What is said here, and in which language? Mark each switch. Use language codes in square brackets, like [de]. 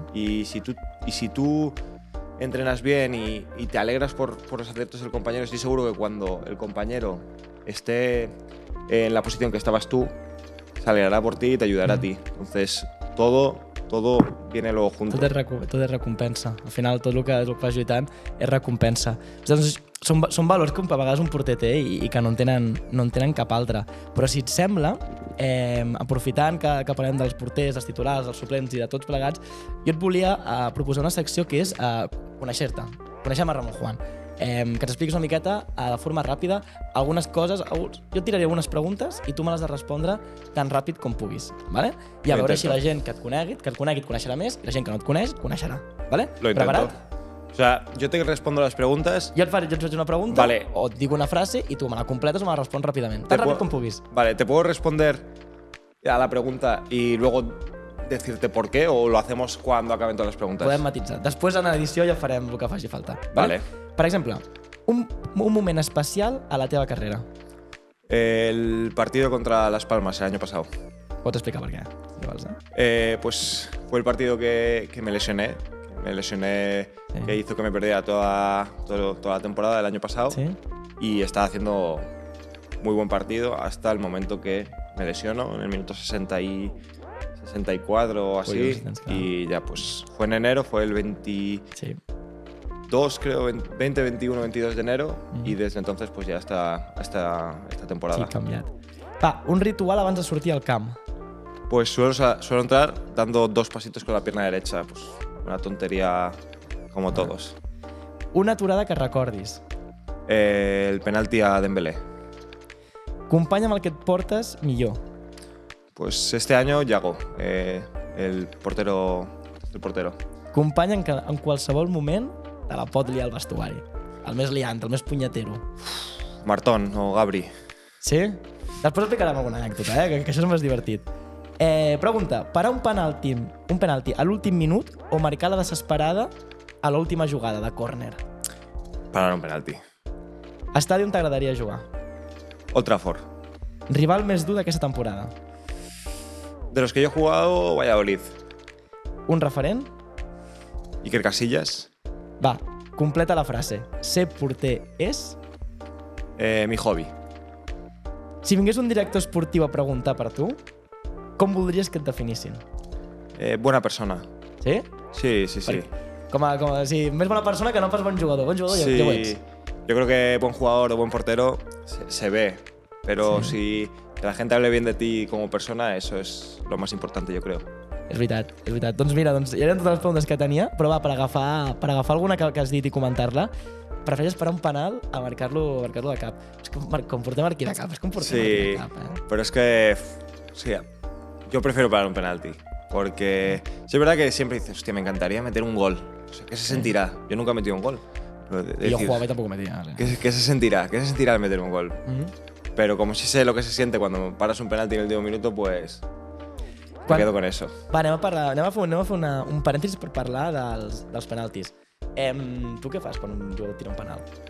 [es] Y si tú entrenas bien y te alegras por los aciertos del compañero, estoy seguro que cuando el compañero esté en la posición que estabas tú, se alegrará por ti y te ayudará a ti. Entonces, todo viene luego junto. [ca] Tot és recompensa. Al final, tot el que vas lluitant és recompensa. Doncs són valors que a vegades un porter té i que no en tenen cap altre. Però si et sembla, aprofitant que parlem dels porters, dels titulars, dels suplents i de tots plegats, jo et volia proposar una secció que és conèixer-te, conèixer-me Ramon Juan. Que t'expliquis una miqueta de forma ràpida algunes coses. Jo et tiraré algunes preguntes i tu me les has de respondre tan ràpid com puguis, ¿vale? I a veure si la gent que et conegui et coneixerà més i la gent que no et coneix, coneixerà, ¿vale? [es] Lo intento. Preparat? O sea, yo te respondo las preguntas. Yo te faig una pregunta, vale. O et digo una frase y tú me la completas o me la respondes ràpidament. [ca] Tan ràpid com puguis. [es] Vale, te puedo responder a la pregunta y luego decirte por qué o lo hacemos cuando acaben todas las preguntas. [ca] Podem matitzar. Després en l'edició ja farem el que faci falta. [es] Vale. [ca] Per exemple, un moment especial a la teva carrera. [es] El partido contra Las Palmas el año pasado. [ca] Pots explicar per què, si vols, [es] Pues fue el partido que me lesioné. Me lesioné, sí. Que hizo que me perdiera toda la temporada del año pasado. Sí. Y estaba haciendo muy buen partido hasta el momento que me lesiono, en el minuto 64 o así. Y ya, pues fue en enero, fue el 20... Sí. 2, creo, 20, 21, 22 de enero, y desde entonces pues ya hasta esta temporada. [ca] Sí, canviat. Va, un ritual abans de sortir al camp. [es] Pues suelo entrar dando dos pasitos con la pierna derecha, pues una tontería como todos. [ca] Una aturada que recordis. [es] El penalti a Dembélé. [ca] Company amb el que et portes millor. [es] Pues este año Yago, el portero. [ca] Company en qualsevol moment te la pot liar al vestuari. El més liant, el més punyetero. Marton o Gabri. Sí? Després explicarem alguna anècdota, que això és més divertit. Pregunta, parar un penalti a l'últim minut o marcar la desesperada a l'última jugada de córner? [es] Parar un penalti. [ca] Estadi on t'agradaria jugar? Old Trafford. Rival més dur d'aquesta temporada? [es] De los que yo he jugado, Valladolid. [ca] Un referent? Iker Casillas. Va, completa la frase. Ser porter és? [es] Mi hobby. [ca] Si vingués un director esportiu a preguntar per tu, com voldries que et definissin? [es] Buena persona. Sí? [ca] Sí, sí, sí. Perquè, com a, més bona persona que no pas bon jugador. Bon jugador, sí. Ja ho ets. [es] Yo creo que buen jugador o buen portero se ve, pero sí. Si la gente hable bien de ti como persona, eso es lo más importante, yo creo. [ca] És veritat, és veritat. Doncs mira, doncs ja eren totes les preguntes que tenia, però va, per agafar alguna que has dit i comentar-la, prefereixes parar un penal a marcar-lo de cap. És com portem aquí de cap, és com portem aquí de cap, Però és que, jo prefero parar un penalti, perquè sí, és veritat que sempre dices, hòstia, m'encantaria [es] meter un gol. O sea, [ca] què se sentirà? [es] Jo nunca he metido un gol. [ca] Jo jugava i tampoc metia. Què se sentirà [es] al meter un gol? Però com si sé lo que se siente cuando paras un penalti en el último minuto, pues... Me quedo con eso. [ca] Va, anem a fer un parèntesis per parlar dels penaltis. Tu què fas quan un jugador tira un penal?